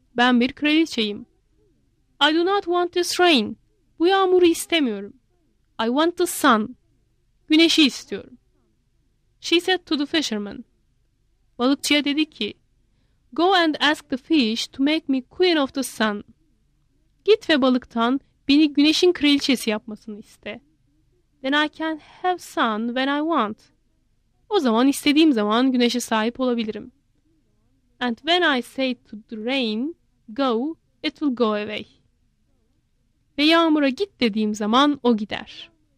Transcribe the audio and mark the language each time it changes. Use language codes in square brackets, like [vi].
[tr] Ben bir kraliçeyim. [en] I do not want this rain. [tr] Bu yağmuru istemiyorum. [en] I want the sun. [tr] Güneşi istiyorum." [en] She said to the fisherman, [tr] balıkçıya dedi ki, [en] "Go and ask the fish to make me queen of the sun." [tr] Git ve balıktan beni güneşin kraliçesi yapmasını iste. [en] Then I can have sun when I want. [tr] O zaman istediğim zaman güneşe sahip olabilirim. [en] And when I say to the rain, go, it will go away. [tr] Ve yağmura git dediğim zaman o gider.